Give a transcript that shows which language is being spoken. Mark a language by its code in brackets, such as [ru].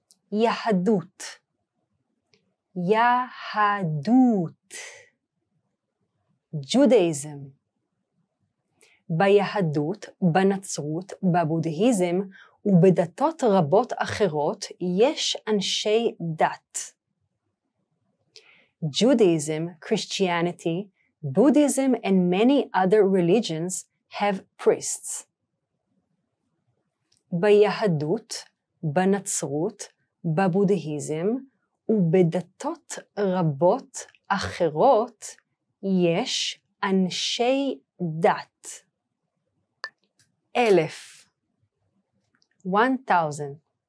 [he] Yahadut. Yahadut. [en] Judaism. [he] ביהדות, בנצרות, בבודהיזם ובדתות רבות אחרות יש אנשי דת. [en] Judaism, Christianity, Buddhism and many other religions have priests. [he] ביהדות, בנצרות, בבודהיזם ובדתות רבות אחרות יש אנשי דת. Elef, 1,000.